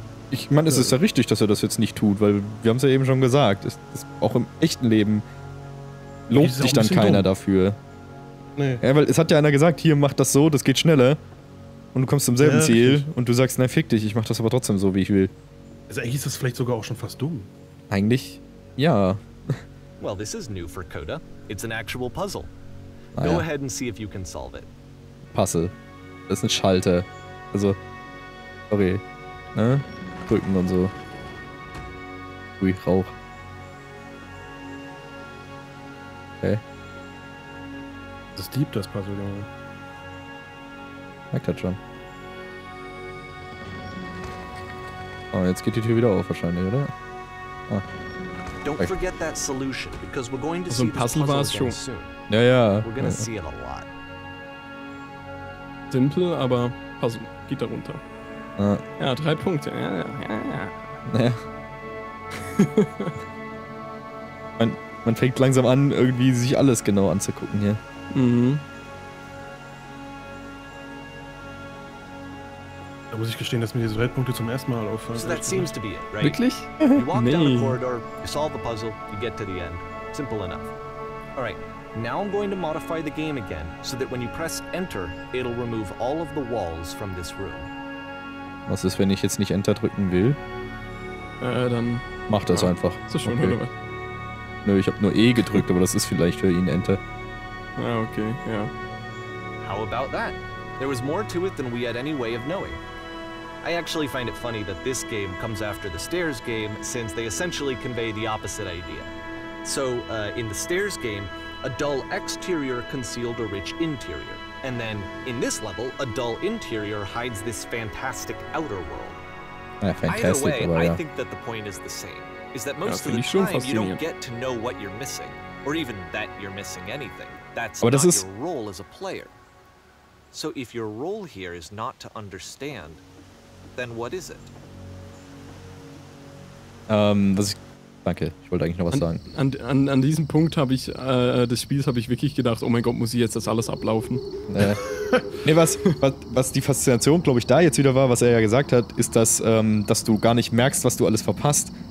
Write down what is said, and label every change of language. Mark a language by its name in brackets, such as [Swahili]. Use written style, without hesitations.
[German] Ich meine, es ist ja richtig, dass er das jetzt nicht tut, weil wir haben es ja eben schon gesagt, ist auch im echten Leben lobt dich dann keiner dafür. Nee. Ja, weil es hat ja einer gesagt, hier, mach das so, das geht schneller. Und du kommst zum selben Ziel und du sagst, nein, fick dich, ich mach das aber trotzdem so, wie ich will. Also eigentlich ist das vielleicht sogar auch schon fast dumm. Eigentlich, ja. [English] Well, this is new for Coda. It's an actual puzzle. Go ahead and see if you can solve it. Puzzle. [German] Das ist ein Schalter. Also, sorry. Ne? Drücken und so. Ui, Rauch. Okay. Das ist deep, das Puzzle, Junge. Merkt das schon. Oh, jetzt geht die Tür wieder auf wahrscheinlich, oder? Ah. [English] Don't forget that solution, because we're going to see this puzzle again soon. [German] Ja, ja. [English] We're gonna see it a lot. [German] Simpel, aber Puzzle geht da runter. Ah. Ja, 3 Punkte. Ja, ja, ja, ja. Man fängt langsam an, irgendwie sich alles genau anzugucken hier. Mhm. Da muss ich gestehen, dass mir diese Weltpunkte zum ersten Mal auffallen. [English] So that seems to be it, right? [German] Wirklich? [English] You walk [German] nee. [English] Down a corridor, you solve a puzzle, you get to the end. Simple enough. All right, now I'm going to modify the game again, so that when you press enter, it'll remove all of the walls from this room. [German] Was ist, wenn ich jetzt nicht enter drücken will? Dann... Mach das einfach. Ist das schon, okay. Oder was? Nö, ich hab nur E gedrückt, aber das ist vielleicht für ihn enter. Ja, okay, ja. [English] How about that? There was more to it than we had any way of knowing. I actually find it funny that this game comes after the stairs game, since they essentially convey the opposite idea. So, in the stairs game, a dull exterior concealed a rich interior. And then, in this level, a dull interior hides this fantastic outer world. [German] Ja, fantastic, [English] either way, [German] aber, ja. [English] I think that the point is the same. Is that most of the time you don't get to know what you're missing. Or even that you're missing anything. That's [German] aber [English] not [German] ist... [English] your role as a player. So if your role here is not to understand, then what is it? [German] Danke, ich wollte eigentlich noch was sagen. An diesem Punkt habe ich, des Spiels habe ich wirklich gedacht, oh mein Gott, muss ich jetzt das alles ablaufen? Nee, was die Faszination, glaube ich, da jetzt wieder war, was er ja gesagt hat, ist, dass du gar nicht merkst, was du alles verpasst.